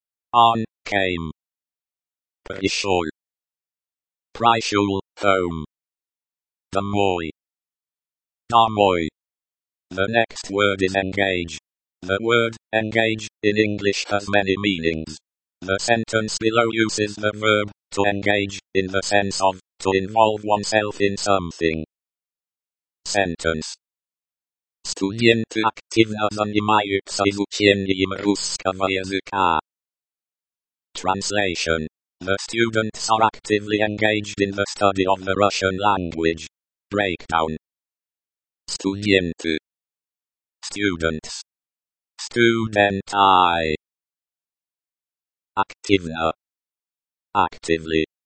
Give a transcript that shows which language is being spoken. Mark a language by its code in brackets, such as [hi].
[en] On, came. [ru] Пришёл. Пришёл, [en] home. [ru] Домой. Домой. [en] The next word is engage. The word, engage, in English has many meanings. The sentence below uses the verb, to engage, in the sense of, to involve oneself in something. Sentence. [ru] Студенты активно занимаются изучением русского языка. [en] Translation. The students are actively engaged in the study of the Russian language. Breakdown. [ru] Студенты. [en] Students. [ru] Студенты. Активно. [en] Actively.